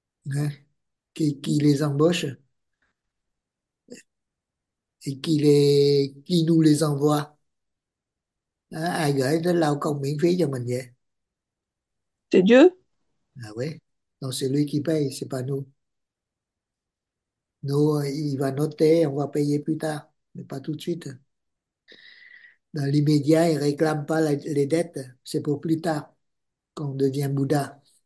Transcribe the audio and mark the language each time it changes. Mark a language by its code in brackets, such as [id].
[fr] Hein? Qui les embauche et qui nous les envoie. Hein? [vi] Ai gửi tới lao công miễn phí cho mình vậy? [fr] C'est Dieu. Ah oui, donc c'est lui qui paye, c'est pas nous. Nous, il va noter, on va payer plus tard, mais pas tout de suite. Dans l'immédiat, il réclame pas les dettes, c'est pour plus tard, quand on devient Bouddha.